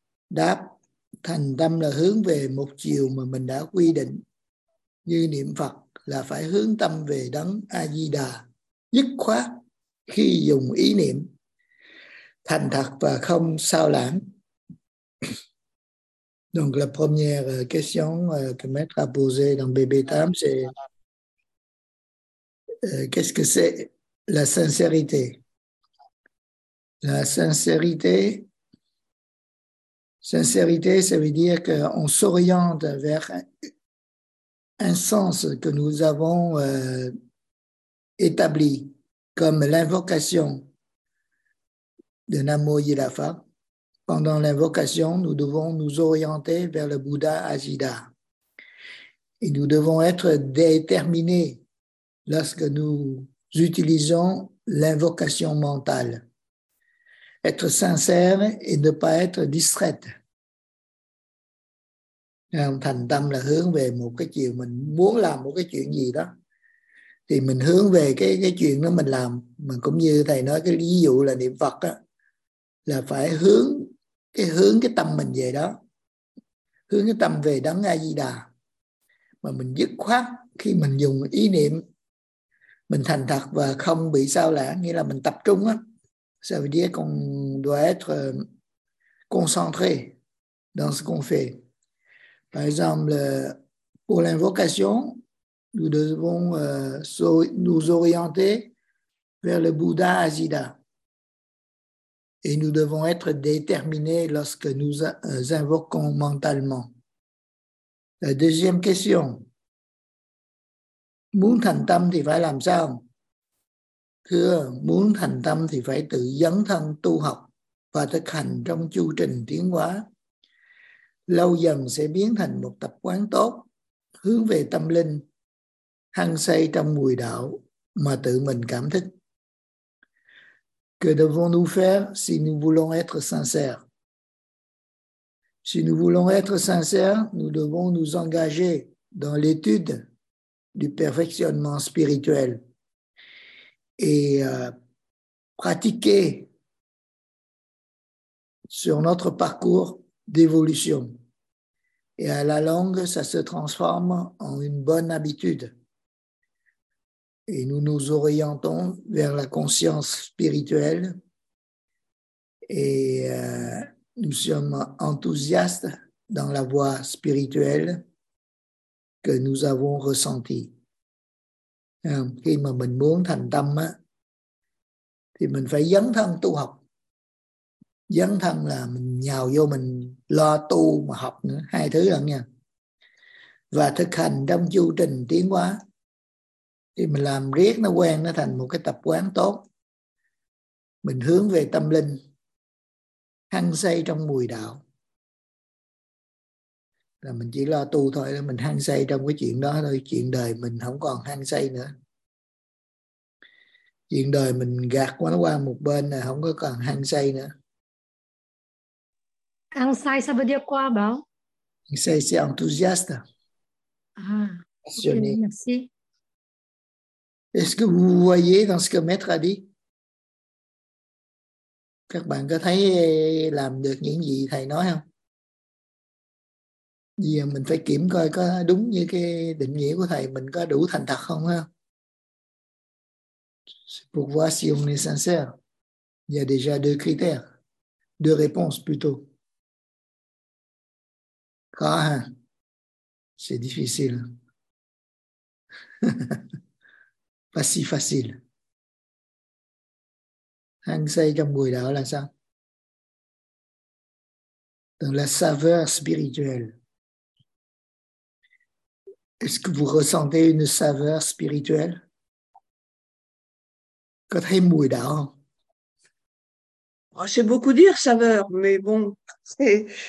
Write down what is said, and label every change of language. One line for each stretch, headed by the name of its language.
Vietnamese: Đáp, Thành Tâm là hướng về một chiều mà mình đã quy định. Như niệm Phật là phải hướng tâm về Đấng A-di-đà, dứt khoát khi dùng ý niệm, thành thật và không sao lãng.
French: Donc la première question que Maître a posée dans Bébé Tam, c'est qu'est-ce que c'est la sincérité? La sincérité, ça veut dire qu'on s'oriente vers un sens que nous avons établi comme l'invocation de Namo Yidhafa. Pendant l'invocation, nous devons nous orienter vers le Bouddha Ajida. Et nous devons être déterminés lorsque nous utilisons l'invocation mentale. Être sincère et ne pas être distraite.
Vietnamese: Thành tâm là hướng về một cái chuyện, mình muốn làm một cái chuyện gì đó. Thì mình hướng về cái chuyện đó mình làm. Mình cũng như thầy nói cái ví dụ là niệm Phật đó, là phải hướng cái tâm mình về đó, hướng cái tâm về Đấng A Di Đà, mà mình dứt khoát khi mình dùng ý niệm, mình thành thật và không bị sao lãng, nghĩa là mình tập trung á,
French: ça veut dire qu'on doit être concentré dans ce qu'on fait. Par exemple, pour l'invocation, nous devons nous orienter vers le Bouddha A Di Đà. Et nous devons être déterminés lorsque nous invoquons mentalement. La deuxième question.
Vietnamese: Muốn thành tâm thì phải làm sao? Thưa, muốn thành tâm thì phải tự dấn thân tu học và thực hành trong chu trình tiến hóa. Lâu dần sẽ biến thành một tập quán tốt, hướng về tâm linh, hăng say trong mùi đạo mà tự mình cảm thức.
French: Que devons-nous faire si nous voulons être sincères? Si nous voulons être sincères, nous devons nous engager dans l'étude du perfectionnement spirituel et pratiquer sur notre parcours d'évolution. Et à la longue, ça se transforme en une bonne habitude. Et nous nous orientons vers la conscience spirituelle et nous sommes enthousiastes dans la voie spirituelle que nous avons ressentie.
Vietnamese: Khi mà mình muốn thành tâm á, thì mình phải dấn thân tu học. Dấn thân là mình nhào vô mình lo tu mà học nữa, hai thứ lận nha. Và thực hành trong chu trình tiến hóa. Thì mình làm riết nó quen, nó thành một cái tập quán tốt. Mình hướng về tâm linh, hăng say trong mùi đạo. Là mình chỉ lo tu thôi, mình hăng say trong cái chuyện đó thôi. Chuyện đời mình không còn hăng say nữa. Chuyện đời mình gạt qua nó qua một bên là không có còn hăng say nữa. Hăng say sao bây giờ qua bảo?
French: Hăng say c'est enthousiaste. Ah, ok, merci. Est-ce que vous voyez dans ce que Maître a dit?
Vietnamese: Các bạn có thấy làm được những gì thầy nói không? Vì mình phải kiểm coi có đúng như cái định nghĩa của thầy, mình có đủ thành thật không ha?
French: Pour voir si on est sincère, il y a déjà deux critères, deux réponses plutôt.
Vietnamese: Có ha?
French: C'est difficile. Pas si facile.
Vietnamese: Hăng say trong mùi đạo là sao?
French: Dans la saveur spirituelle. Est-ce que vous ressentez une saveur spirituelle?
Vietnamese: Có thấy mùi đạo không?
French: C'est beaucoup dire saveur, mais bon, c'est...